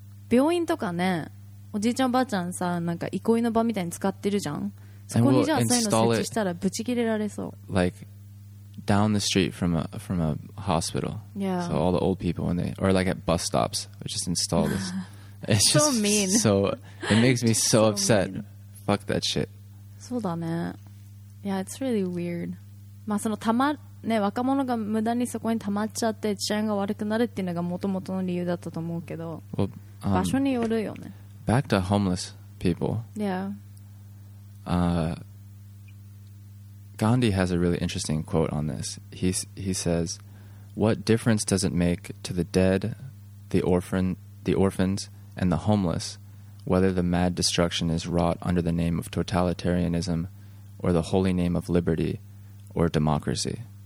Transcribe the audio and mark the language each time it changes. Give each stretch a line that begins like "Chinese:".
Japanese: 病院とかね、おじいちゃんばあちゃんさ、なんか憩いの場みたいに使ってるじゃん。そこにじゃあ、そういうの設置したらブチ切れられそう。
English: Like, down the street from a hospital. Yeah. So all the old people, when they, or like at bus stops, just install this. It's so just mean. So, it makes me so upset. Mean. Fuck that shit.
Japanese: そうだね。
English: Yeah, it's really weird.
Japanese: まあそのたまね、若者が無駄にそこにたまっちゃって治安が悪くなるっていうのが元々の理由だったと思うけど、
English: well,
Japanese: 場所によるよね。
English: Back to homeless people. Yeah. Gandhi has a really interesting quote on this. He says, "What difference does it make to the dead, the orphans, and the homeless?" Whether the mad destruction is wrought under the name of totalitarianism or the holy name of liberty or democracy.